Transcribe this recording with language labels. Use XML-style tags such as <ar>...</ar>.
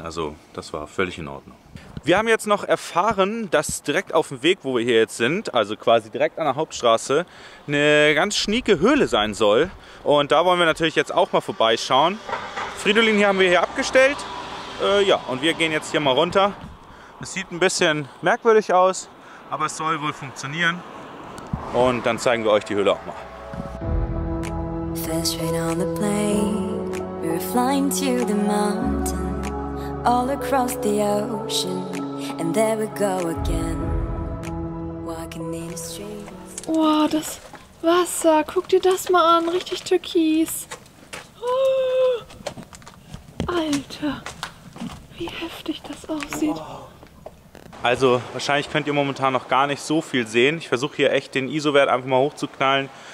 <de>Also das war völlig in Ordnung. Wir haben jetzt noch erfahren, dass direkt auf dem Weg, wo wir hier jetzt sind, also quasi direkt an der Hauptstraße, eine ganz schnieke Höhle sein soll. Und da wollen wir natürlich jetzt auch mal vorbeischauen. Fridolin hier haben wir hier abgestellt. Ja, und wir gehen jetzt hier mal runter. Es sieht ein bisschen merkwürdig aus, aber es soll wohl funktionieren. Und dann zeigen wir euch die Höhle auch mal.</de> <en>First rain on the plane, we're flying to the mountain, all across the ocean, and there we go again, walking in the streets.</en> <de>Wow, das Wasser, guck dir das mal an, richtig türkis. Oh, Alter. Wie heftig das aussieht. Also wahrscheinlich könnt ihr momentan noch gar nicht so viel sehen. Ich versuche hier echt den ISO-Wert einfach mal hochzuknallen.</de>